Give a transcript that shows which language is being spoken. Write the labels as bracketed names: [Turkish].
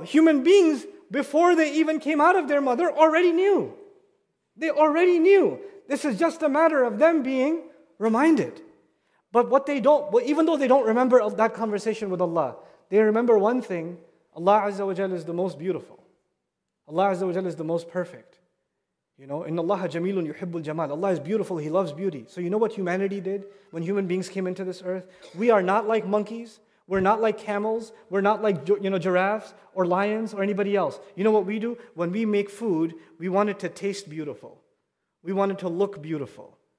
[English] Human beings, before they even came out of their mother, already knew. They already knew. This is just a matter of them being reminded. But what they don't, well, even though they don't remember of that conversation with Allah, they remember one thing. Allah Azza wa Jalla is the most beautiful. Allah Azza wa Jalla is the most perfect. You know, [Arabic] إِنَّ اللَّهَ جَمِيلٌ يُحِبُّ الْجَمَالِ. [English] Allah is beautiful, He loves beauty. So you know what humanity did when human beings came into this earth? We are not like monkeys. We're not like camels. We're not like, you know, giraffes or lions or anybody else. You know what we do? When we make food, we want it to taste beautiful. We want it to look beautiful.